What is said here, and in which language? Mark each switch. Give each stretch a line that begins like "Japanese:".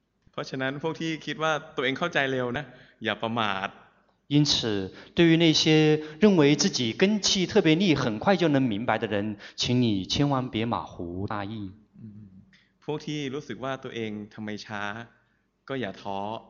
Thai: เพราะฉะนั้นพวกที่คิดว่าตัวเองเข้าใจเร็วนะอย่าประมาท
Chinese: 因此对于那些认为自己根气特别利很快就能明白的人请你千万别马虎大意
Thai: พวกที่รู้สึกว่าตัวเองทำไมช้าก็อย่าท้อ